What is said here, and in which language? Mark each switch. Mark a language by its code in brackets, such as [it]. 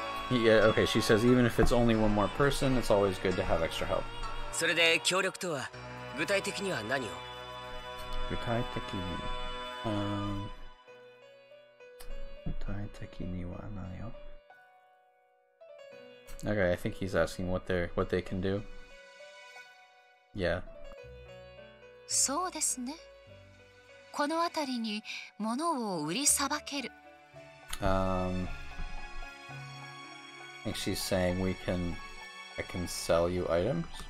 [en] Yeah, okay, she says even if it's only one more person, it's always good to have extra help. [ja] それで協力とは具体的には何を? 具体的には何を? [en] Okay, I think he's asking what they can do. Yeah. [ja] そうですね。この辺りに物を売りさばける。 [en] I think she's saying I can sell you items?